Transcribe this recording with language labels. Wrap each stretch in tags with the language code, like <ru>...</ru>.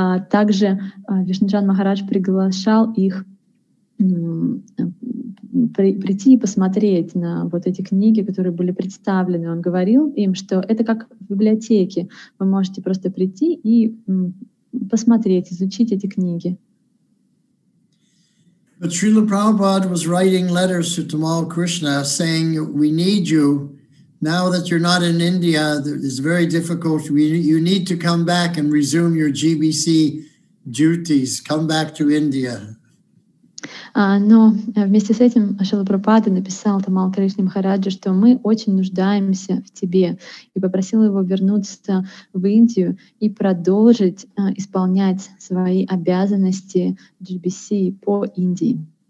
<ru>Также Вишнуджан Махарадж приглашал их прийти и посмотреть на вот эти книги, которые были представлены. Он говорил им, что это как в библиотеке. Вы можете просто прийти и посмотреть, изучить эти книги.</ru> <en>But Srila Prabhupada was writing letters to Tamal Krishna saying, we need you. Now that you're not in India, it's very difficult. You need to come back and resume your GBC duties. Come back to India.</en> <ru>Но вместе с этим Шрила Прабхупада написал Тамал Кришне Махараджу, что мы очень нуждаемся в тебе, и попросил его вернуться в Индию и продолжить исполнять свои обязанности GBC по Индии.</ru>